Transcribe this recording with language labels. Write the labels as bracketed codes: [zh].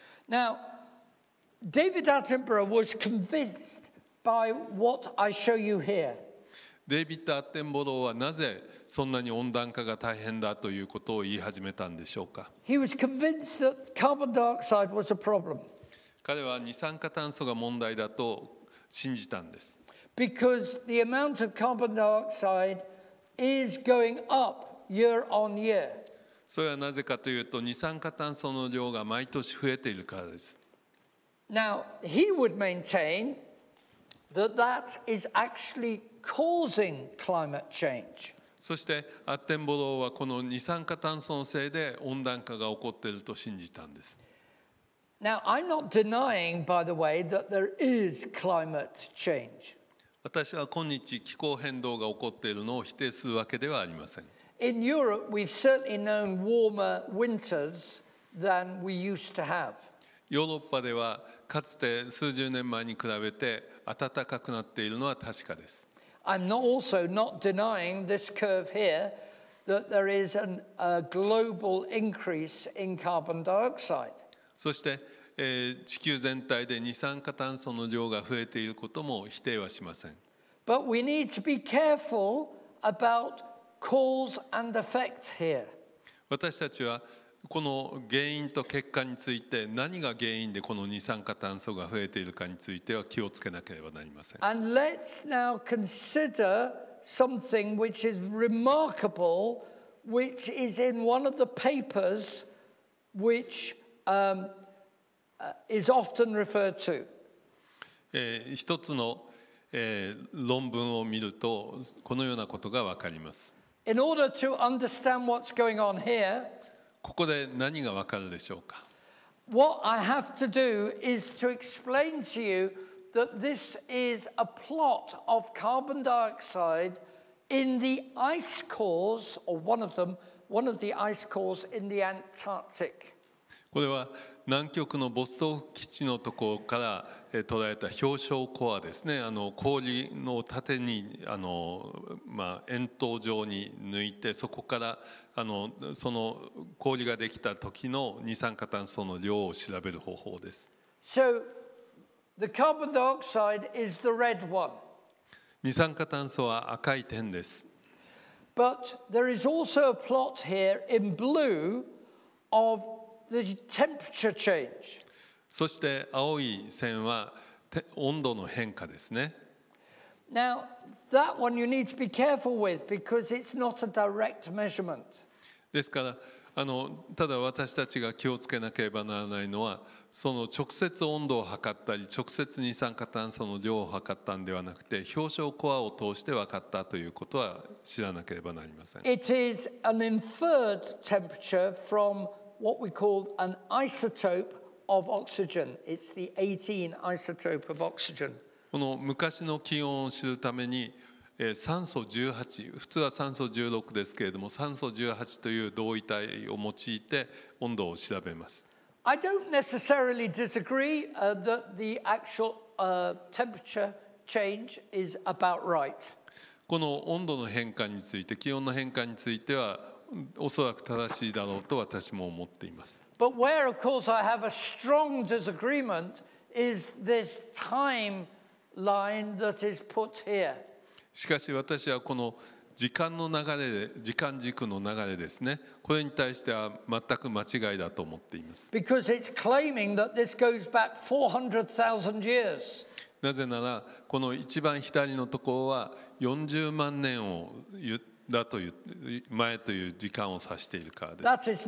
[en] Now, David Attenborough was convinced by what I show you here. [ja] デイビッド・アッテンボローはなぜそんなに温暖化が大変だということを言い始めたんでしょうか。 [en] He was convinced that carbon dioxide was a problem. [ja] 彼は二酸化炭素が問題だと信じたんです。 [en] Because the amount of carbon dioxide is going up. Year on year. [ja] それはなぜかというと、二酸化炭素の量が毎年増えているからです。 [en] Now, he would maintain that that is actually causing climate change. [ja] そして、アッテンボローはこの二酸化炭素のせいで温暖化が起こっていると信じたんです。 [en] Now, I'm not denying, by the way, that there is climate change. [ja] 私は今日気候変動が起こっているのを否定するわけではありません。 [en] In Europe, we've certainly known warmer winters than we used to have. [ja] ヨーロッパではかつて数十年前に比べて暖かくなっているのは確かです。 [en] I'm not also not denying this curve here that there is a global increase in carbon dioxide. [ja] そして、地球全体で二酸化炭素の量が増えていることも否定はしません。 [en] But we need to be careful aboutCause and effect here. [ja] 私たちはこの原因と結果について何が原因でこの二酸化炭素が増えているかについては気をつけなければなりません。 [en] And let's now consider something which is remarkable, which is in one of the papers which is often referred to. [ja] 一つの論文を見るとこのようなことがわかります。 [en] In order to understand what's going on here, [ja] ここで何がわかるでしょうか? [en] What I have to do is to explain to you that this is a plot of carbon dioxide in the ice cores, or one of them, one of the ice cores in the Antarctic. [ja] これは南極のボストーク基地のところから捉えた氷床コアですね。氷の縦に円筒状に抜いて、そこからその氷ができた時の二酸化炭素の量を調べる方法です。 [en] So, the carbon dioxide is the red one. [ja] 二酸化炭素は赤い点です。 [en] But there is also a plot here in blue of the temperature change. [ja] そして青い線は温度の変化ですね。 [en] Now, that one you need to be careful with because it's not a direct measurement. [ja] ですから、ただ私たちが気をつけなければならないのは、その直接温度を測ったり、直接二酸化炭素の量を測ったんではなくて、氷床コアを通して分かったということは知らなければなりません。 [en] It is an inferred temperature from what we call an isotope. Of oxygen. It's the 18 isotope of oxygen. [ja] この昔の気温を知るために、酸素18、普通は酸素16ですけれども、酸素18という同位体を用いて温度を調べます。 [en] I don't necessarily disagree that the actual temperature change is about right. [ja] この温度の変化について、気温の変化については、おそらく正しいだろうと私も思っています。 [en] But where, of course, I have a strong disagreement is this timeline that is put here. [ja] しかし私はこの時間の流れで、時間軸の流れですね。これに対しては全く間違いだと思っています。 [en] Because it's claiming that this goes back 400,000 years. [ja] なぜならこの一番左のところは40万年をだという前という時間を指しているからです。